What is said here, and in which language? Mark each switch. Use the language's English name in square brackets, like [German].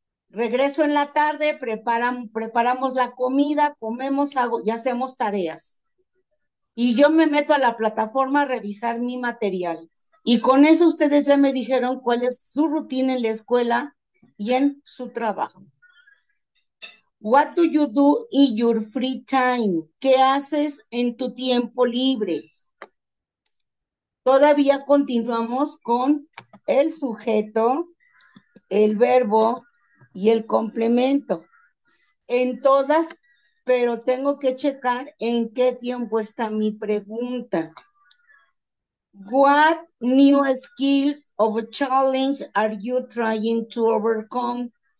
[Spanish] Regreso en la tarde, preparamos la comida, comemos, hago y hacemos tareas. Y yo me meto a la plataforma a revisar mi material. Y con eso ustedes ya me dijeron cuál es su rutina en la escuela y en su trabajo. [English] What do you do in your free time? [Spanish] ¿Qué haces en tu tiempo libre? Todavía continuamos con el sujeto, el verbo. Y el complemento en todas, pero tengo que checar en qué tiempo está mi pregunta. [English] What new skills or challenge are you trying to overcome?